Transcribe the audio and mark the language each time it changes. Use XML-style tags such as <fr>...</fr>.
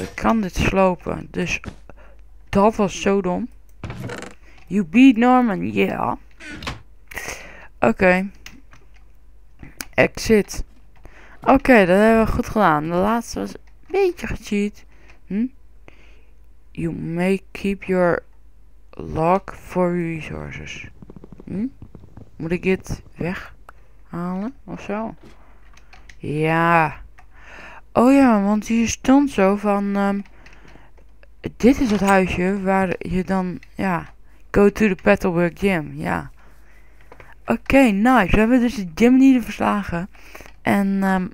<nl>Ik kan dit slopen. Dus... Dat was zo dom.</nl> <en>You beat Norman, yeah. Oké. Exit.</en> <nl>Oké, dat hebben we goed gedaan. De laatste was een beetje gecheat.</nl> <en>You may keep your lock for resources.</en> <nl>Moet ik dit weghalen of zo? Ja. Oh ja, want hier stond zo van... dit is het huisje waar je dan... Ja,</nl> <en>go to the Petalburg Gym.</en> <nl>Ja. Oké, nice. We hebben dus de gym niet verslagen. En...</nl>